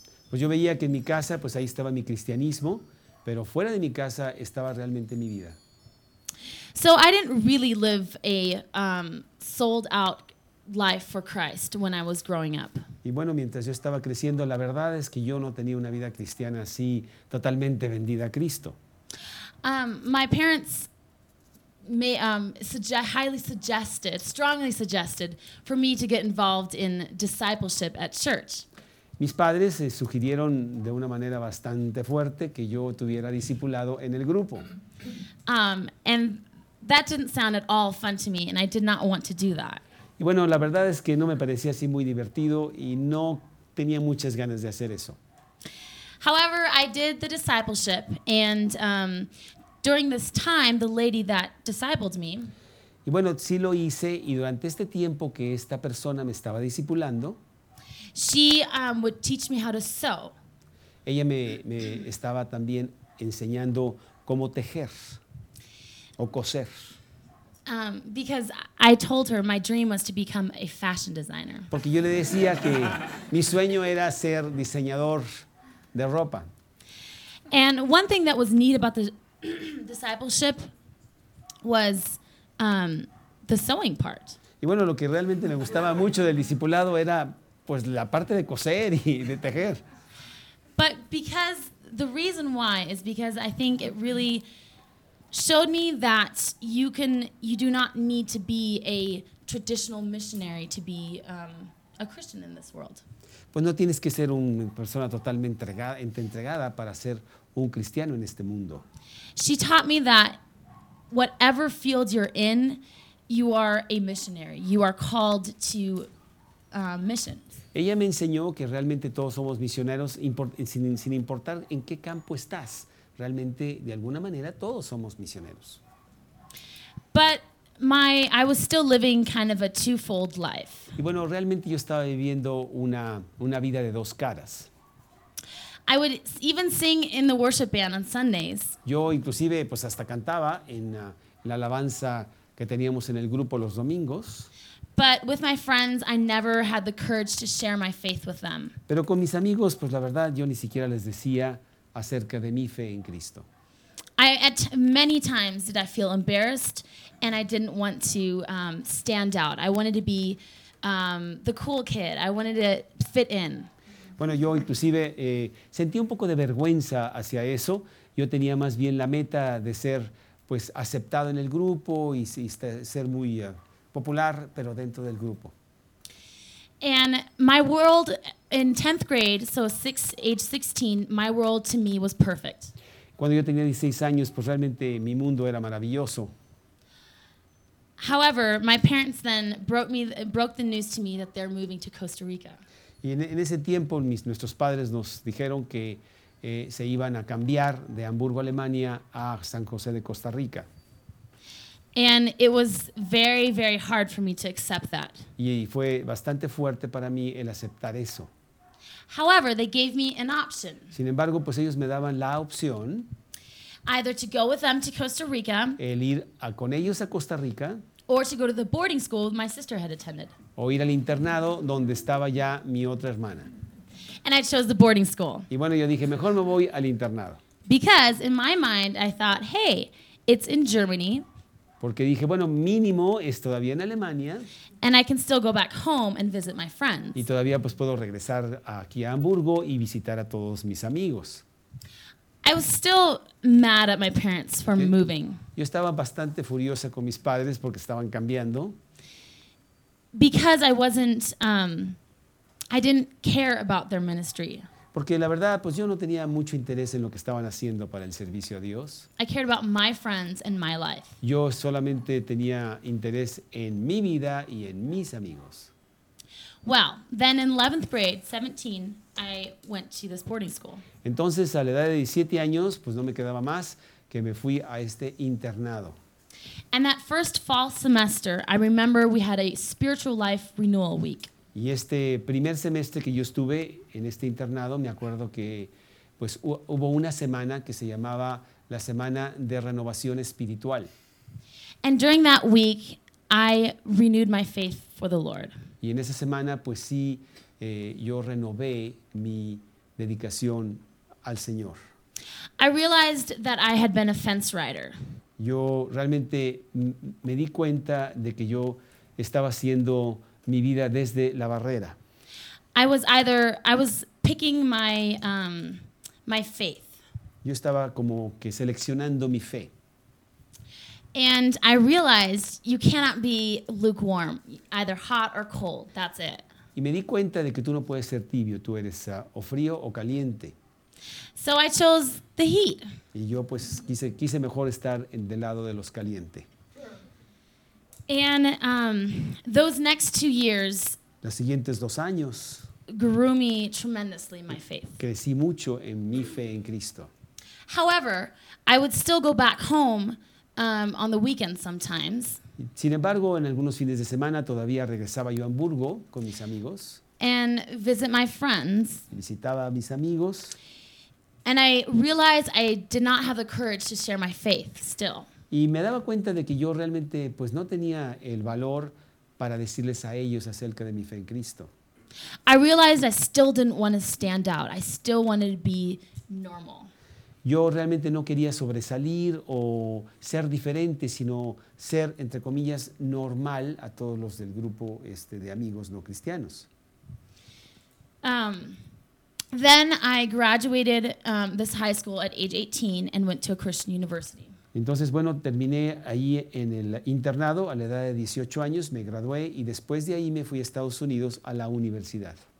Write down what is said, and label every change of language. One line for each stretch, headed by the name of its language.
Spanish: Pues yo veía que en mi casa, pues ahí estaba mi cristianismo, pero fuera de mi casa estaba realmente mi vida.
English: So I didn't really live a sold out life for Christ when I was growing up.
Spanish: Y bueno, mientras yo estaba creciendo, la verdad es que yo no tenía una vida cristiana así totalmente vendida a Cristo.
English: My parents may highly suggested, strongly suggested for me to get involved in discipleship at church.
Spanish: Mis padres sugirieron de una manera bastante fuerte que yo tuviera discipulado en el grupo.
English: And that didn't sound at all fun to me, and I did not want to do that.
Spanish: Y bueno, la verdad es que no me parecía así muy divertido y no tenía muchas ganas de hacer eso.
English: However, I did the discipleship, and during this time, the lady that discipled me.
Spanish: Y bueno, sí lo hice, y durante este tiempo que esta persona me estaba discipulando.
English: She would teach me how to sew.
Spanish: Ella me estaba también enseñando cómo tejer o coser.
English: Because I told her my dream was to become a fashion designer.
Spanish: Porque yo le decía que mi sueño era ser diseñador de ropa.
English: And one thing that was neat about the discipleship was the sewing part.
Spanish: Y bueno, lo que realmente me gustaba mucho del discipulado era pues la parte de coser y de tejer.
English: But because the reason why is because I think it really showed me that you do not need to be a traditional missionary to be a Christian in this world.
Spanish: Pues no tienes que ser una persona totalmente entregada para ser un cristiano en este mundo.
English: She taught me that whatever field you're in, you are a missionary. You are called to mission.
Spanish: Ella me enseñó que realmente todos somos misioneros, sin importar en qué campo estás. Realmente, de alguna manera, todos somos misioneros.
English: But I was still living kind of a twofold life.
Spanish: Y bueno, realmente yo estaba viviendo una vida de dos caras.
English: I would even sing in the worship band on Sundays.
Spanish: Yo inclusive pues hasta cantaba en la alabanza que teníamos en el grupo los domingos.
English: But with my friends, I never had the courage to share my faith with them.
Spanish: Pero con mis amigos, pues la verdad, yo ni siquiera les decía acerca de mi fe en Cristo.
English: Many times did I feel embarrassed, and I didn't want to stand out. I wanted to be the cool kid. I wanted to fit in.
Spanish: Bueno, yo inclusive sentí un poco de vergüenza hacia eso. Yo tenía más bien la meta de ser pues aceptado en el grupo y ser muy popular, pero dentro del grupo.
English: And my world in 10th grade, so age 16, my world to me was perfect.
Spanish: Cuando yo tenía 16 años, pues realmente mi mundo era maravilloso.
English: However, my parents then broke the news to me that they're moving to Costa Rica.
Spanish: Y en ese tiempo, nuestros padres nos dijeron que se iban a cambiar de Hamburgo, Alemania, a San José de Costa Rica.
English: And it was very, very hard for me to accept that.
Spanish: Y fue bastante fuerte para mí el aceptar eso.
English: However, they gave me an option.
Spanish: Sin embargo, pues ellos me daban la opción.
English: Either to go with them to Costa Rica.
Spanish: El ir con ellos a Costa Rica.
English: Or to go to the boarding school my sister had attended.
Spanish: O ir al internado donde estaba ya mi otra hermana.
English: And I chose the boarding school.
Spanish: Y bueno, yo dije, mejor me voy al internado.
English: Because in my mind I thought, hey, it's in Germany.
Spanish: Porque dije, bueno, mínimo es todavía en Alemania.
English: And I can still go back home and visit my friends.
Spanish: Y todavía pues puedo regresar aquí a Hamburgo y visitar a todos mis amigos.
English: I was still mad at my parents for moving.
Spanish: Yo estaba bastante furiosa con mis padres porque estaban cambiando.
English: Because I wasn't, I didn't care about their ministry.
Spanish: Porque la verdad, pues yo no tenía mucho interés en lo que estaban haciendo para el servicio a Dios.
English: I cared about my friends and my life.
Spanish: Yo solamente tenía interés en mi vida y en mis amigos.
English: Well, then in 11th grade, 17, I went to this boarding school.
Spanish: Entonces, a la edad de 17 años, pues no me quedaba más que me fui a este internado.
English: And that first fall semester, I remember we had a spiritual life renewal week.
Spanish: Y este primer semestre que yo estuve en este internado, me acuerdo que pues hubo una semana que se llamaba la semana de renovación espiritual.
English: And during that week, I renewed my faith for the Lord.
Spanish: Y en esa semana, pues sí, yo renové mi dedicación al Señor.
English: I realized that I had been a fence rider.
Spanish: Yo realmente me di cuenta de que yo estaba haciendo mi vida desde la barrera.
English: I was picking my my faith.
Spanish: Yo estaba como que seleccionando mi fe.
English: And I realized you cannot be lukewarm, either hot or cold. That's it.
Spanish: Y me di cuenta de que tú no puedes ser tibio, tú eres o frío o caliente.
English: So I chose the heat.
Spanish: Y yo pues quise mejor estar del lado de los caliente.
English: And those next 2 years,
Spanish: los siguientes dos años,
English: grew me tremendously my faith.
Spanish: Crecí mucho en mi fe en Cristo.
English: However, I would still go back home on the weekends sometimes.
Spanish: Sin embargo, en algunos fines de semana todavía regresaba yo a Hamburgo con mis amigos.
English: And visit my friends.
Spanish: Visitaba a mis amigos.
English: And I realized I did not have the courage to share my faith still.
Spanish: Y me daba cuenta de que yo realmente pues no tenía el valor para decirles a ellos acerca de mi fe en Cristo.
English: I realized I still didn't want to stand out. I still wanted to be normal.
Spanish: Yo realmente no quería sobresalir o ser diferente, sino ser, entre comillas, normal a todos los del grupo de amigos no cristianos.
English: Then I graduated this high school at age 18 and went to a Christian university.
Spanish: Entonces, bueno, terminé ahí en el internado a la edad de 18 años, me gradué y después de ahí me fui a Estados Unidos a la universidad.